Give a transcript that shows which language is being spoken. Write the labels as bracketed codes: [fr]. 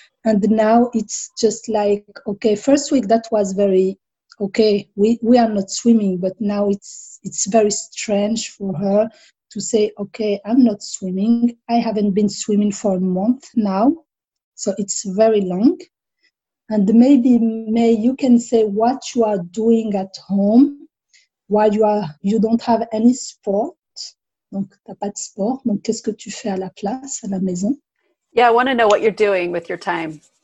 [en] And now it's just like, okay, first week that was very, okay, we are not swimming, but now it's very strange for her to say, okay, I'm not swimming. I haven't been swimming for a month now. So it's very long. And maybe, May, you can say what you are doing at home while you don't have any sport. [fr] Donc, t'as pas de sport. Donc, qu'est-ce que tu fais à la place, à la maison? [en] Yeah, I want to know what you're doing with your time.